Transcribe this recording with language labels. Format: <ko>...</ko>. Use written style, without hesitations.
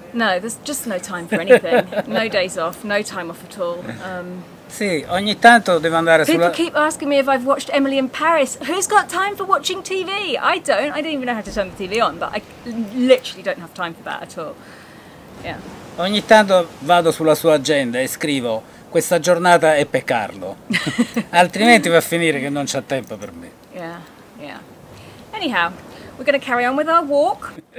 <en>No, there's just no time for anything. No days off, no time off at all.</en> <it>Sì, ogni tanto devo andare sulla...</it> <en>People keep asking me if I've watched Emily in Paris. Who's got time for watching TV? I don't. I don't even know how to turn the TV on, but I literally don't have time for that at all. Yeah.</en> <it>Ogni tanto vado sulla sua agenda e scrivo questa giornata è per Carlo. Altrimenti va a finire che non c'ha tempo per me.</it> <en>Yeah, yeah. Anyhow, we're going to carry on with our walk.</en>